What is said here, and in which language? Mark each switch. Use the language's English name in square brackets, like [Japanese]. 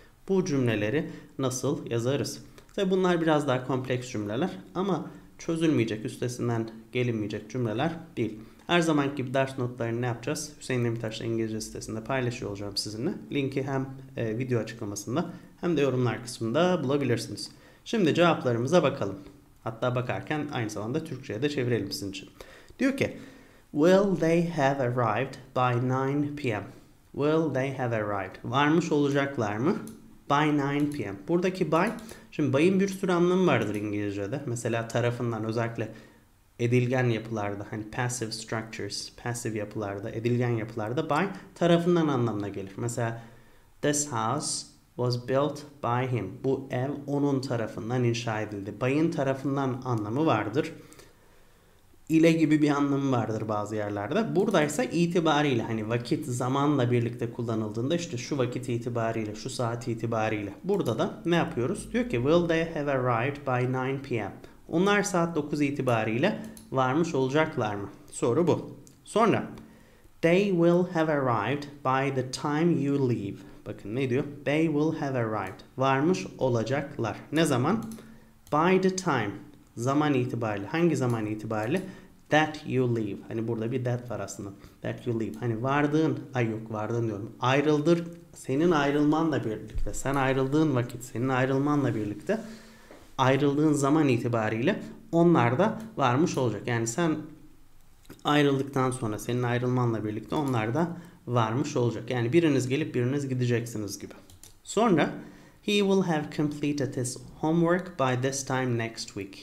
[Turkish] Bu cümleleri nasıl yazarız? Tabi bunlar biraz daha kompleks cümleler ama çözülmeyecek, üstesinden gelinmeyecek cümleler değil. Her zamanki gibi ders notlarını ne yapacağız? Hüseyin Demirtaş İngilizce sitesinde paylaşıyor olacağım sizinle. Linki hem video açıklamasında hem de yorumlar kısmında bulabilirsiniz. Şimdi cevaplarımıza bakalım. Hatta bakarken aynı zamanda Türkçe'ye de çevirelim sizin için. Diyor ki, [English] Will they have arrived by 9 p.m.? Will they have arrived? [Turkish] Varmış olacaklar mı? [English] By 9 p.m. [Turkish] Buradaki by, şimdi by'ın bir sürü anlamı vardır İngilizce'de. Mesela tarafından özellikle edilgen yapılarda, hani [English] passive structures, [Turkish] passive yapılarda, edilgen yapılarda by tarafından anlamına gelir. [English] Mesela this house was built by him. [Turkish] Bu ev onun tarafından inşa edildi. By'ın tarafından anlamı vardır. İle gibi bir anlamı vardır bazı yerlerde. Buradaysa itibariyle, hani vakit zamanla birlikte kullanıldığında işte şu vakit itibariyle, şu saat itibariyle. Burada da ne yapıyoruz? Diyor ki, [English] will they have arrived by 9 p.m.? [Turkish] Onlar saat 9 itibariyle varmış olacaklar mı? Soru bu. [English] Sonra, they will have arrived by the time you leave. [Turkish] Bakın ne diyor? [English] They will have arrived. [Turkish] Varmış olacaklar. Ne zaman? [English] By the time. [Turkish] Zaman itibariyle. Hangi zaman itibariyle? [English] That you leave. [Turkish] Hani burada bir that var aslında. That you leave. Hani vardığın, ay yok vardığın diyorum. Ayrıldır. Senin ayrılmanla birlikte. Sen ayrıldığın vakit, senin ayrılmanla birlikte. Ayrıldığın zaman itibariyle onlar da varmış olacak. Yani sen ayrıldıktan sonra senin ayrılmanla birlikte onlar da varmış olacak. Yani biriniz gelip biriniz gideceksiniz gibi. [English] Sonra he will have completed his homework by this time next week.